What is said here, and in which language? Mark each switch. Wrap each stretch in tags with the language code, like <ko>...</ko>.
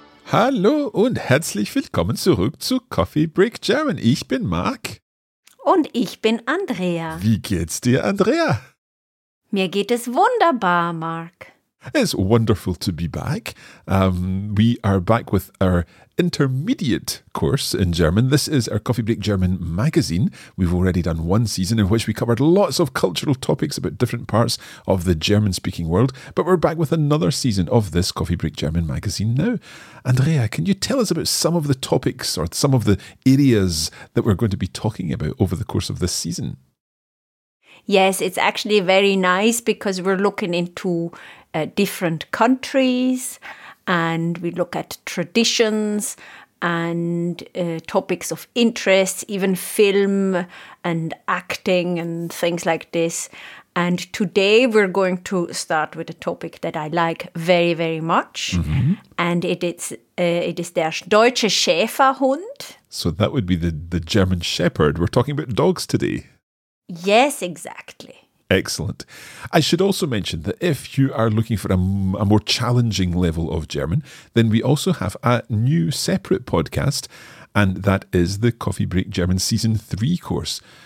<de>Hallo und herzlich willkommen zurück zu Coffee Break German. Ich bin Marc. Und ich bin Andrea. Wie geht's dir, Andrea? Mir geht es wunderbar, Marc.</de> <en>It's wonderful to be back. We are back with our intermediate course in German. This is our Coffee Break German magazine. We've already done one season in which we covered lots of cultural topics about different parts of the German-speaking world, but we're back with another season of this Coffee Break German magazine now. Andrea, can you tell us about some of the topics or some of the areas that we're going to be talking about over the course of this season? Yes, it's actually very nice because we're looking into different countries and we look at traditions and topics of interest, even film and acting and things like this. And today we're going to start with a topic that I like very, very much. Mm-hmm. And it is der deutsche Schäferhund. So that would be the German Shepherd. We're talking about dogs today. Yes, exactly. Excellent. I should also mention that if you are looking for a more challenging level of German, then we also have a new separate podcast, and that is the Coffee Break German Season 3 course.</en>